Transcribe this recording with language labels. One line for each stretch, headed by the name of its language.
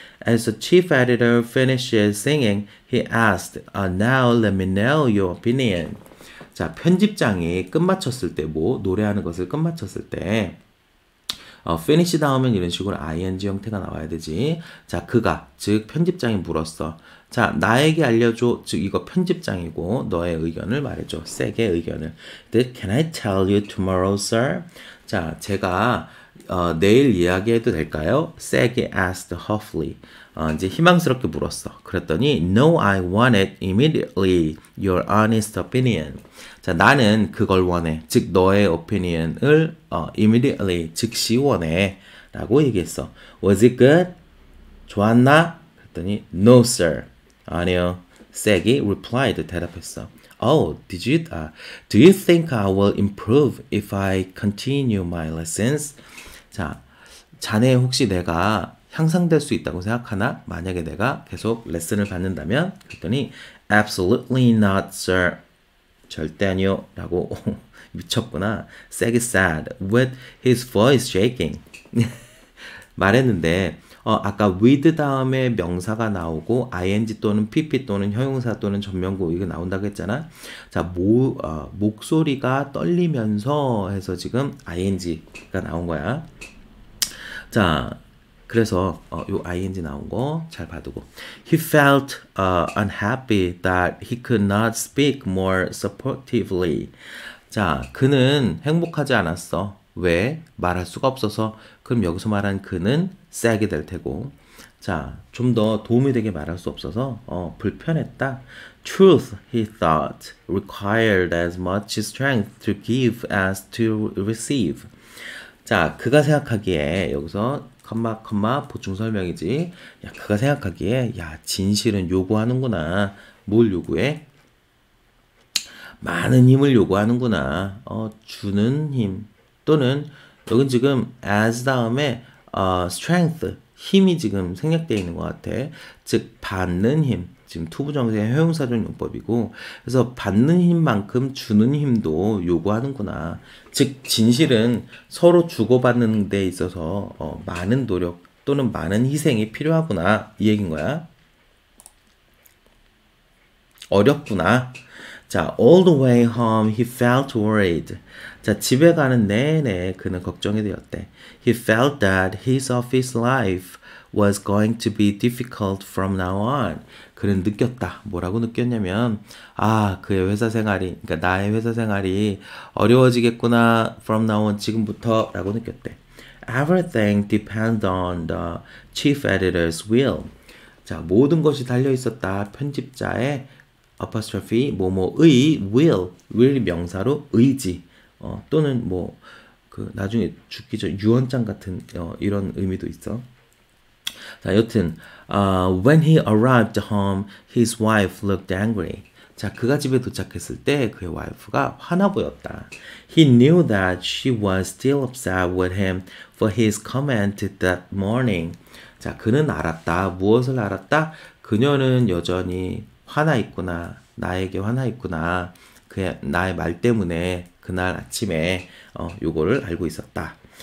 English: As the chief editor finishes singing, he asked, "Now let me know your opinion."
Korean: 자, 편집장이 끝마쳤을 때, 뭐 노래하는 것을 끝마쳤을 때, finish 다음엔 이런 식으로 ing 형태가 나와야 되지. 자, 그가, 즉 편집장이 물었어. 자, 나에게 알려줘. 즉 이거 편집장이고 너의 의견을 말해줘. 세게 의견을.
English: Can I tell you tomorrow, sir?
Korean: 자, 제가 내일 이야기해도 될까요?
English: Sag asked huffily.
Korean: 이제 희망스럽게 물었어.
English: 그랬더니, No, I want it immediately. Your honest opinion.
Korean: 자, 나는 그걸 원해. 즉, 너의 opinion을 immediately, 즉시 원해. 라고 얘기했어.
English: Was it good?
Korean: 좋았나? 그랬더니,
English: No, sir.
Korean: 아니요. Sag이 replied, 대답했어.
English: Oh, do you think I will improve if I continue my lessons?
Korean: 자, 자네 혹시 내가 향상될 수 있다고 생각하나? 만약에 내가 계속 레슨을 받는다면?
English: 그랬더니, Absolutely not, sir.
Korean: 절대 아니요. 라고, 미쳤구나.
English: Saggy said, with his voice shaking.
Korean: 말했는데, 아까 with 다음에 명사가 나오고 ing 또는 pp 또는 형용사 또는 전명구 이거 나온다고 했잖아. 자, 목소리가 떨리면서 해서 지금 ing가 나온 거야. 자, 그래서 요 ing 나온 거잘 봐두고.
English: He felt unhappy that he could not speak more supportively.
Korean: 자, 그는 행복하지 않았어. 왜? 말할 수가 없어서. 그럼 여기서 말한 그는 sag이 될 테고. 자, 좀더 도움이 되게 말할 수 없어서 불편했다.
English: Truth, he thought, required as much strength to give as to receive.
Korean: 자, 그가 생각하기에 여기서 컴마 컴마 보충 설명이지. 야, 그가 생각하기에 야, 진실은 요구하는구나. 뭘 요구해? 많은 힘을 요구하는구나. 주는 힘. 또는 여긴 지금 as 다음에 strength 힘이 지금 생략되어 있는 것 같아. 즉 받는 힘, 지금 투부정사의 형용사적 용법이고, 그래서 받는 힘만큼 주는 힘도 요구하는구나. 즉 진실은 서로 주고받는 데 있어서 많은 노력 또는 많은 희생이 필요하구나 이 얘긴 거야. 어렵구나.
English: 자, all the way home, he felt worried.
Korean: 자, 집에 가는 내내 그는 걱정이 되었대.
English: He felt that his office life was going to be difficult from now on.
Korean: 그는 느꼈다. 뭐라고 느꼈냐면, 아, 그의 회사 생활이, 그러니까 나의 회사 생활이 어려워지겠구나,
English: from now on,
Korean: 지금부터, 라고 느꼈대.
English: Everything depends on the chief editor's will.
Korean: 자, 모든 것이 달려 있었다. 편집자의 apostrophe, 뭐뭐의, will이 명사로 의지, 또는 뭐, 그, 나중에 죽기 전 유언장 같은, 이런 의미도 있어. 자, 여튼,
English: when he arrived home, his wife looked angry.
Korean: 자, 그가 집에 도착했을 때 그의 와이프가 화나 보였다.
English: He knew that she was still upset with him for his comment that morning.
Korean: 자, 그는 알았다. 무엇을 알았다? 그녀는 여전히 화나 있구나. 나에게 화나 있구나. 그 나의 말 때문에 그날 아침에 요거를 알고 있었다.